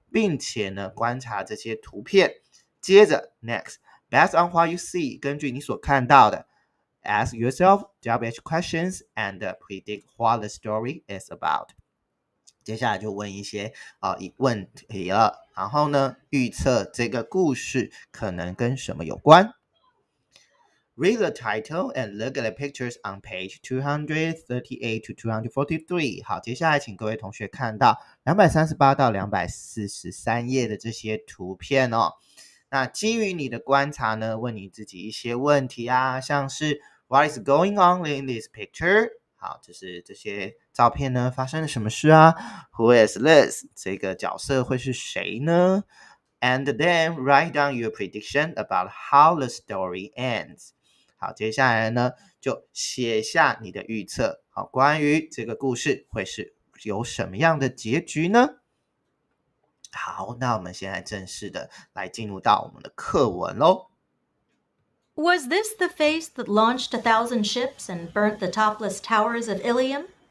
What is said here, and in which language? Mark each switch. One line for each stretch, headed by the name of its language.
Chinese: 并且呢，观察这些图片。接着
English: ，next， based on what you see，
Chinese: 根据你所看到的
English: ，ask yourself WH questions and predict what the story is about。
Chinese: 接下来就问一些问题了，然后呢，预测这个故事可能跟什么有关。
English: Read the title and look at the pictures on page 238 to 243.
Chinese: 好，接下来请各位同学看到238到243页的这些图片哦。那基于你的观察呢，问你自己一些问题啊，像是
English: What is going on in this picture?
Chinese: 好，就是这些照片呢，发生了什么事啊？
English: Who is this?
Chinese: 这个角色会是谁呢？
English: And then write down your prediction about how the story ends.
Chinese: 好，接下来呢，就写下你的预测。好，关于这个故事会是有什么样的结局呢？好，那我们现在正式的来进入到我们的课文咯。
English: Was this the face that launched 1,000 ships and burnt the topless towers of Ilium?